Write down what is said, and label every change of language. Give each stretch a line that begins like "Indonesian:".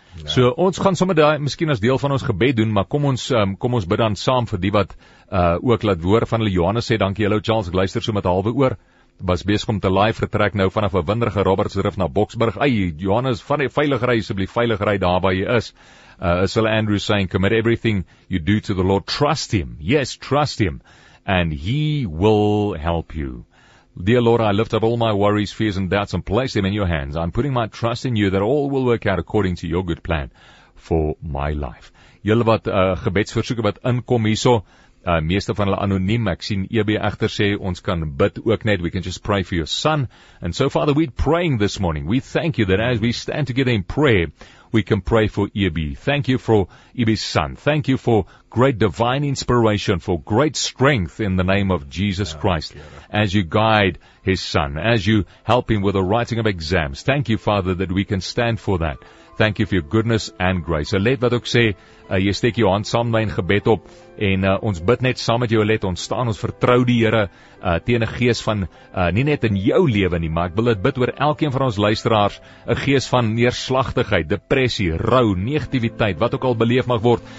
Afrikaans: Ja. So, ons gaan sommer daar, miskien as deel van ons gebed doen, maar kom ons bid dan saam vir die wat ook laat woord van hulle. Johannes sê, dankie, hallo Charles, ek luister so met 'n halwe oor, was besig om te live vertrek nou vanaf 'n windrige Robertsrif na Boksburg. Ai, Johannes, van die veilig ry, asseblief veilig ry daar waar jy is.
English: Is hulle Andrew saying, commit everything you do to the Lord, trust Him, yes, trust Him, and He will help you. Dear Lord, I lift up all my worries, fears and doubts and place them in your hands. I'm putting my trust in you that all will work out according to your good plan for my life.
Afrikaans: Julle wat gebedsversoeke wat inkom hierso, meeste van hulle anoniem, ek sien EB Echter sê, ons kan bid ook net,
English: we can just pray for your son. And so Father, we're praying this morning. We thank you that as we stand together in prayer, we can pray for EB. Thank you for EB's son. Thank you for great divine inspiration, for great strength in the name of Jesus Christ. As you guide his son, as you help him with the writing of exams. Thank you, Father, that we can stand for that. Thank you for your goodness and grace.
Afrikaans: Let wat ook sê, jy steek jou hand saam my in gebed op, en ons bid net saam met jou, let, ons staan, ons vertrou die Here teen 'n gees van, nie net in jou lewe nie, maar ek wil dit bid oor elkeen van ons luisteraars, 'n gees van neerslagtigheid, depressie, rou, negativiteit, wat ook al beleef mag word.